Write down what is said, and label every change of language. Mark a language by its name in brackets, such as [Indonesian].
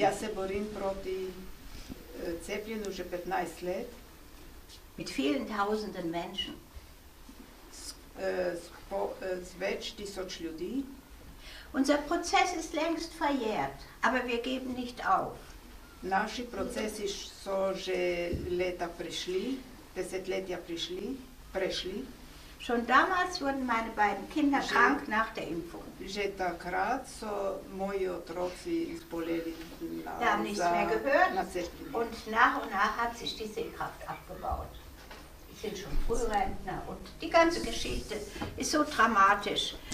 [Slovenian] Ja se borim proti cepljenju že 15 let. [German] Mit vielen tausenden Menschen. [Slovenian] S več tisoč ljudi. [German] Unser Prozess ist längst verjährt, aber wir geben nicht auf. [Slovenian] Naši procesi so že leta prišli, desetletja prišli, prešli. [German] Schon damals wurden meine beiden Kinder krank nach der Impfung. [Slovenian] Že takrat so moji otroci zboleli na cepljenje. [German] Da haben nichts mehr gehört und nach hat sich die Sehkraft abgebaut. Ich bin schon Frührentner und die ganze Geschichte ist so dramatisch.